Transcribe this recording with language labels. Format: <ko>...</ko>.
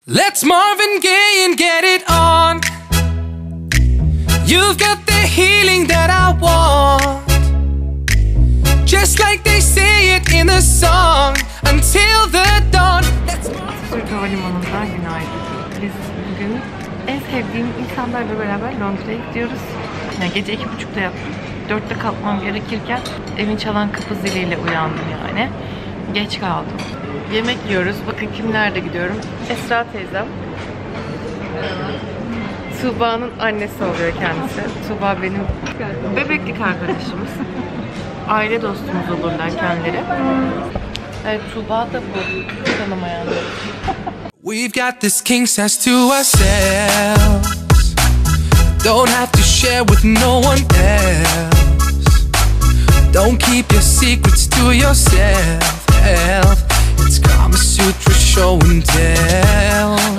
<en>Let's Marvin Gaye and get it on. You've got the healing that I want, just like they say it in the song. Until the dawn. Let's</en> <tr>Türk Havalimanı'nda günaydın. Biz bugün en sevdiğim insanlarla beraber Londra'ya gidiyoruz. Yani gece 2:30'da yattım. 4'te kalkmam gerekirken evin çalan kapı ziliyle uyandım yani. Geç kaldım. Yemek yiyoruz. Bakın kimlerle gidiyorum. Esra teyzem. Tuğba'nın annesi oluyor kendisi. Tuğba benim bebeklik arkadaşımız. Aile dostumuz olurlar kendileri. Evet, Tuğba da bu. Tanımayanlar.</tr> <en>We've got this king says to ourselves. Don't have to share with no one else. Don't keep your secrets to yourself. Elf. It's Kama Sutra show and tell.</en>